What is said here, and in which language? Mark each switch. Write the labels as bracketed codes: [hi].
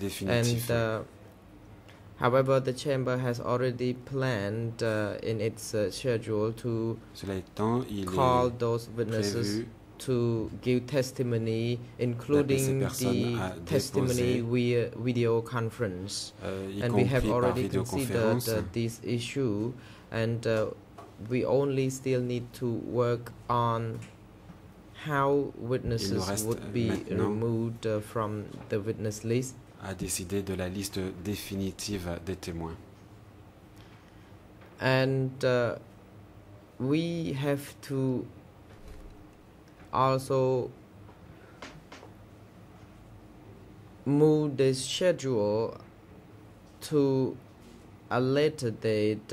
[en] And however, the chamber has already planned in its schedule to call those witnesses to give testimony, including the testimony via video conference. And we have already considered this issue, and we only still need to work on how witnesses would be removed from the witness list. [fr] A décidé de la liste définitive des témoins. [en] And we have to also move the schedule to a later date.